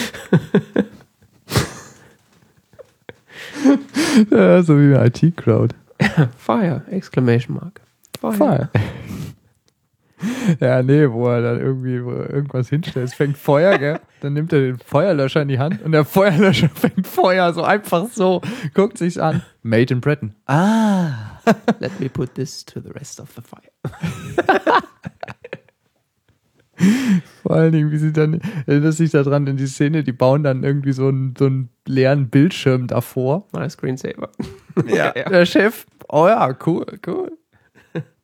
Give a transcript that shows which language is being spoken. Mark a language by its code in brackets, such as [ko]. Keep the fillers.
[de] ja, so wie bei IT-Crowd. [en] Yeah, fire, Exclamation Mark. Fire. fire. [de] ja, nee, wo er dann irgendwie er irgendwas hinstellt. Es fängt Feuer, gell? Dann nimmt er den Feuerlöscher in die Hand und der Feuerlöscher fängt Feuer, so einfach so. Guckt sich's an. [en] Made in Britain. [de] Ah. [en] Let me put this to the rest of the fire. [de] Vor allen Dingen, wie sie dann, erinnert sich daran in die Szene, die bauen dann irgendwie so einen, so einen leeren Bildschirm davor. Ein Screensaver. Ja, ja. Der Chef oh ja, cool, cool. ja.